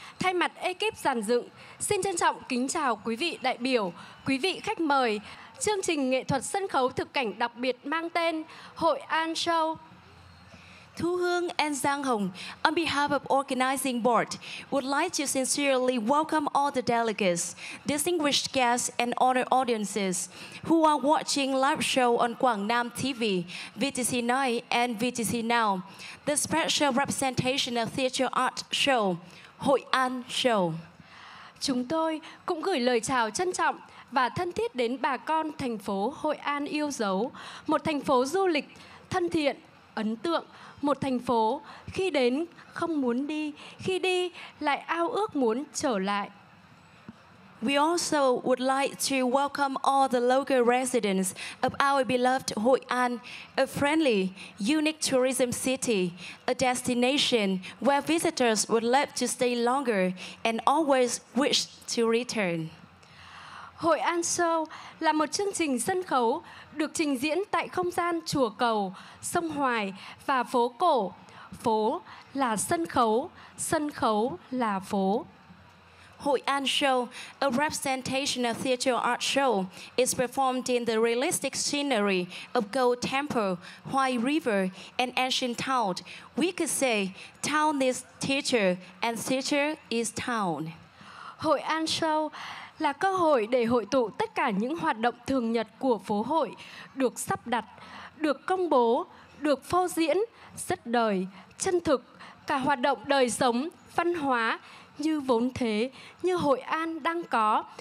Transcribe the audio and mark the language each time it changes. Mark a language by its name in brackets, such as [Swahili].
[Vietnamese] Thay mặt ekip giàn dựng, xin trân trọng kính chào quý vị đại biểu, quý vị khách mời. Chương trình nghệ thuật sân khấu thực cảnh đặc biệt mang tên Hội An Show. [English] Thu Hương and Giang Hồng, on behalf of organizing board, would like to sincerely welcome all the delegates, distinguished guests and honored audiences who are watching live show on Quảng Nam TV, VTC9 and VTC Now, the special representation of theater art show, Hội An Show. [Vietnamese] Chúng tôi cũng gửi lời chào trân trọng và thân thiết đến bà con thành phố Hội An yêu dấu, một thành phố du lịch thân thiện, ấn tượng, một thành phố khi đến không muốn đi, khi đi lại ao ước muốn trở lại. [English] We also would like to welcome all the local residents of our beloved Hội An, a friendly, unique tourism city, a destination where visitors would love to stay longer and always wish to return. [Vietnamese] Hội An Show là một chương trình sân khấu được trình diễn tại không gian Chùa Cầu, Sông Hoài và phố cổ. Phố là sân khấu là phố. [English] Hội An Show, a representation of theater art show, is performed in the realistic scenery of Gold Temple, Hoài River and Ancient Town. We could say, town is theater and theater is town. [Vietnamese] Hội An Show là cơ hội để hội tụ tất cả những hoạt động thường nhật của phố hội được sắp đặt, được công bố, được phô diễn rất đời, chân thực, cả hoạt động đời sống, văn hóa như vốn thế, như Hội An đang có.